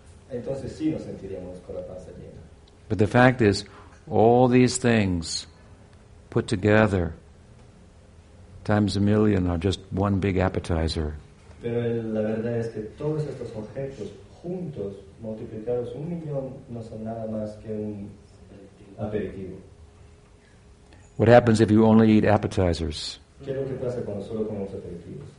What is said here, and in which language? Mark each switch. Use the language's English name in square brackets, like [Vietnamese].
[Spanish] Entonces, sí, nos sentiríamos con la panza llena. [English] But the fact is, all these things put together times a million are just one big appetizer. [Spanish] Pero la verdad es que todos estos objetos juntos, multiplicados un millón, no son nada más que un aperitivo. [English] What happens if you only eat appetizers? [Spanish] ¿Qué es lo que pasa cuando solo comemos aperitivos?